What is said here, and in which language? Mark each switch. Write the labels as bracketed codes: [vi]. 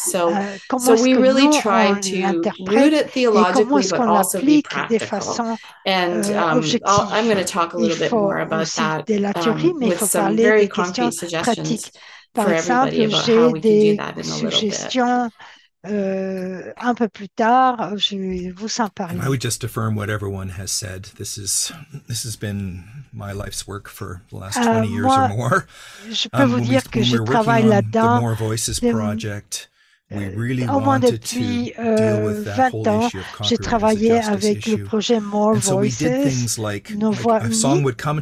[en] So we really try to root it theologically, but also be practical. And I'm going to talk a little bit more about that [fr] théorie, [en] with some very concrete suggestions [fr] Par [en] for [fr] exemple, [en] everybody about how we can do that in a little bit. [fr] Un peu plus tard, je vous en parle. [en] I would just affirm what everyone has said. This has been my life's work for the last 20 years or more. [fr] Je peux vous dire que je travaille là-dedans. [en] The More Voices Project. [fr] Au moins depuis 20 ans, j'ai travaillé avec le projet More Voices, Nos Voix Unies.